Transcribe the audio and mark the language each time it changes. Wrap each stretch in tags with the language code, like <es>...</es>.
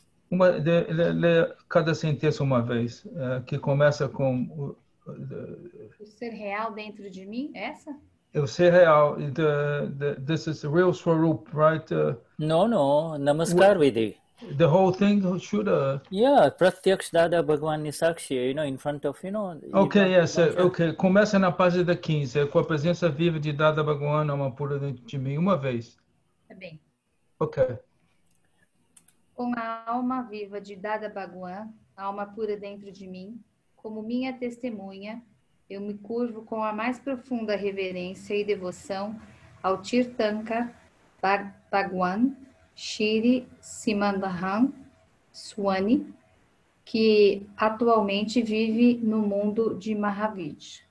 <pt>Uma, lê cada sentença uma vez, que começa com... O ser real dentro de mim, essa? O ser real,</pt> <en>this is the real swarup, right? No, Namaskar Vidhi. The whole thing should... Yeah, Pratyaksh Dada Bhagavan Nisakshi, you know, in front of, you know... Okay, yes, okay.</en> <pt>Começa na página da 15, com a presença viva de Dada Bhagavan uma pura dentro de mim, uma vez. Tá bem.</pt> <en>Okay.</en> <pt>Com a alma viva de Dada Bhagavan, alma pura dentro de mim, como minha testemunha, eu me curvo com a mais profunda reverência e devoção ao Tirthanka Bhagavan, Shri Simandhan Swani, que atualmente vive no mundo de Mahavid.</pt>